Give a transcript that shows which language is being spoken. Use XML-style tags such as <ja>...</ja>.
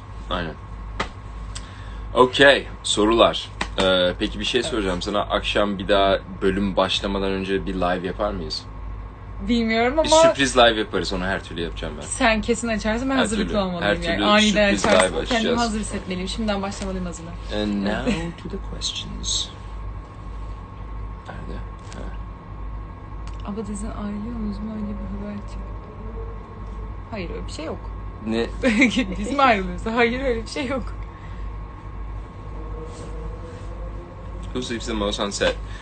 <tr>Aynen. Okey, sorular. Peki bir şey soracağım sana. Akşam bir daha bölüm başlamadan önce bir live yapar mıyız? Bilmiyorum ama... Bir sürpriz live yaparız, onu her türlü yapacağım ben. Sen kesin açarsın, ben hazırlıklı olmalıyım yani. Her türlü yani. Sürpriz live açacağız. Kendimi hazır hissetmeliyim, şimdiden başlamalıyım hazırlar.</tr> <en>And now to the questions.</en> <tr>Nerede? Abadiz'in ailiyor muyuz mu, öyle bir haber çıkıyor. Hayır, öyle bir şey yok. Ne? Biz mi ayrılıyoruz? Hayır, öyle bir şey yok.</tr> <en>Who sleeps the most on set?</en>